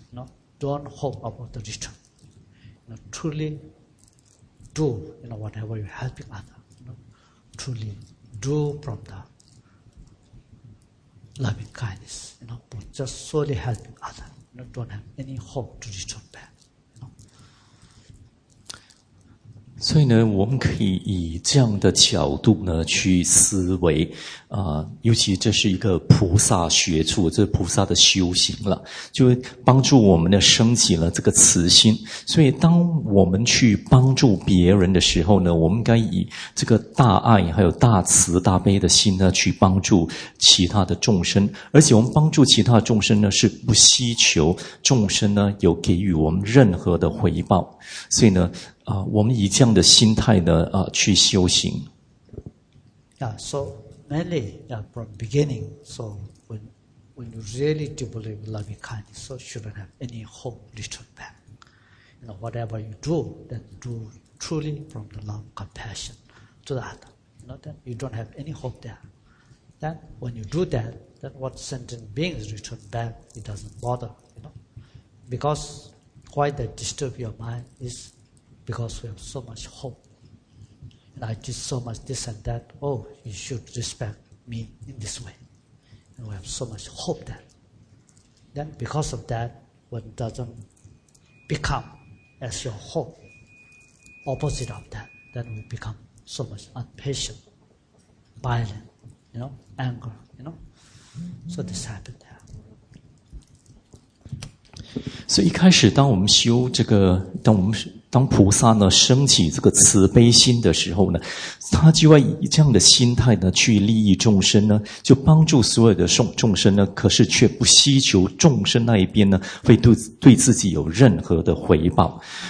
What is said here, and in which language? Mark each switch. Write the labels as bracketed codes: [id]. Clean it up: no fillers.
[en] You know, don't hope about the return. You know, truly do, you know, whatever you're helping other. You know, truly do from the loving kindness. You know, but just solely helping other. You know, don't have any hope to return back. [zh] 所以呢，我们可以以这样的角度呢去思维，尤其这是一个菩萨学处，这是菩萨的修行了，就帮助我们呢升起了这个慈心。所以，当我们去帮助别人的时候呢，我们该以这个大爱还有大慈大悲的心呢去帮助其他的众生，而且我们帮助其他众生呢是不希求众生呢有给予我们任何的回报。所以呢。我们以这样的心态呢去修行。 [en] Yeah, so mainly, yeah, from beginning, so when you really do believe loving kindness, so shouldn't have any hope return back. You know, whatever you do, then do truly from the love, compassion to the other. You know, then you don't have any hope there. Then when you do that, then what sentient beings return back, it doesn't bother, you know. Because why they disturb your mind is,Because we have so much hope. And I did so much this and that. Oh, you should respect me in this way. And we have so much hope that. Then because of that, what doesn't become as your hope, opposite of that, then we become so much impatient, violent, you know, anger, you know. So this happened there. [zh] 所以一开始当我们修这个当菩萨呢升起这个慈悲心的时候呢，他就会以这样的心态呢去利益众生呢，就帮助所有的众生呢，可是却不希求众生那一边呢会对自己有任何的回报。